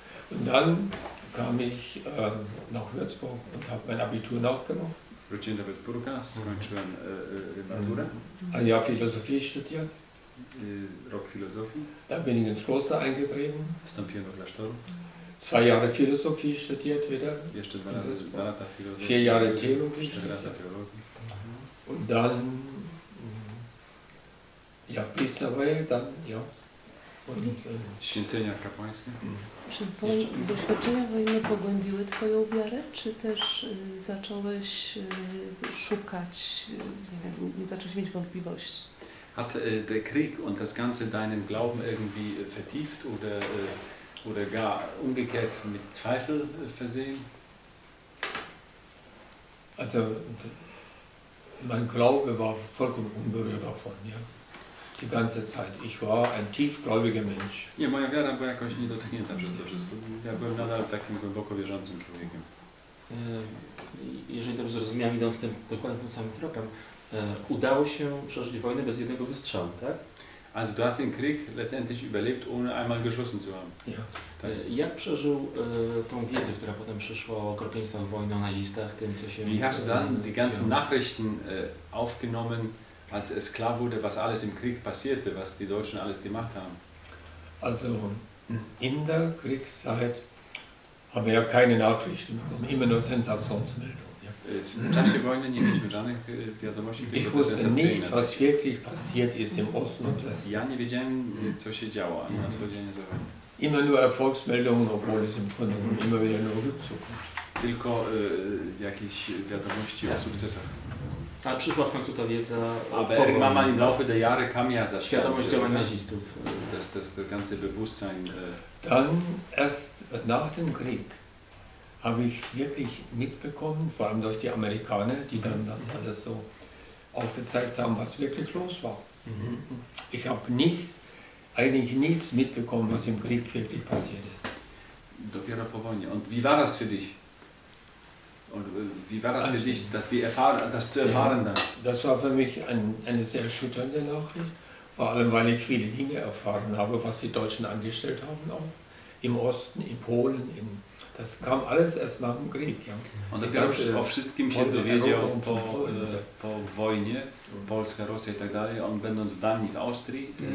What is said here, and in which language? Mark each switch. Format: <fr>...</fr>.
<de>Und dann kam ich nach Würzburg und habe mein Abitur nachgemacht.</de> <pl>Wróciłem do Würzburga, skończyłem maturę.</pl> <de>A ja Philosophie studiert.</de> <pl>Rok filozofii.</pl> <de>Da bin ich ins Kloster eingetreten.</de> <pl>Wstąpiłem do klasztoru.</pl> <de>Zwei Jahre Philosophie studiert wieder.</de> <pl>Jeszcze dwa lata filozofii.</pl> <de>Vier Jahre Theologie studiert. Und dann, ja, Priester war ich dann, ja.</de> <pl>Święcenia kapłańskie. Czy doświadczenia wojenne pogłębiły twoją wiarę, czy też zacząłeś szukać, nie wiem, zacząłeś mieć wątpliwości?</pl> <de>Hat der Krieg und das Ganze deinen Glauben irgendwie vertieft oder gar umgekehrt mit Zweifel versehen? Also, mein Glaube war vollkommen unberührt davon, ja. Die ganze Zeit. Ich war ein tiefgläubiger Mensch.</de> <pl>Nie, moja wiara była jakoś niedotknięta przez to wszystko. Ja byłem nadal takim głęboko wierzącym człowiekiem. Jeżeli dobrze zrozumiałem, idąc tym dokładnie tym samym tropem, udało się przeżyć wojnę bez jednego wystrzału, tak?</pl> <de>Also, du hast den Krieg letztendlich überlebt, ohne einmal geschossen zu haben. Ja.</de> <pl>Tak? Jak przeżył tą wiedzę, która potem przyszła o okropieństwach wojny, o nazistach, tym, co się...</pl> <de>Wie hast du dann die ganzen Nachrichten aufgenommen, als es klar wurde, was alles im Krieg passierte, was die Deutschen alles gemacht haben? Also in der Kriegszeit haben wir ja keine Nachrichten bekommen, immer nur Sensationsmeldungen. Ja.</de> <pl>W czasie wojny nie mieliśmy żadnych wiadomości, tylko sensacyjne.</pl> <de>Ich wusste nicht, was wirklich passiert ist im Osten und Westen.</de> <pl>Ja nie wiedziałem, co się działo na codziennie za wojny.</pl> <de>Immer nur Erfolgsmeldungen, obwohl es im Grunde genommen immer wieder nur Rückzug.</de> <pl>Tylko jakieś wiadomości o sukcesach. A przyszła w końcu ta wiedza.</pl> <de>Aber irgendwann im Laufe der Jahre kam ja das.</de> <pl>Świadomość działań nazistów.</pl> <de>Das ganze Bewusstsein. Dann erst nach dem Krieg habe ich wirklich mitbekommen, vor allem durch die Amerikaner, die dann das alles so aufgezeigt haben, was wirklich los war. Ich habe eigentlich nichts mitbekommen, was im Krieg wirklich passiert ist.</de> <pl>Dopiero po wojnie.</pl> <de>Und wie war das für dich? Und wie war das für dich, das zu erfahren dann? Das war für mich eine sehr erschütternde Nachricht, vor allem weil ich viele Dinge erfahren habe, was die Deutschen angestellt haben auch im Osten, in Polen, das kam alles erst nach dem Krieg. Ja. Und dann bin ich auf</de> <pl>wszystkim się dowiedział po wojnie, Polska, Rosja i tak dalej, und będąc w Danii, w Austrii.</pl>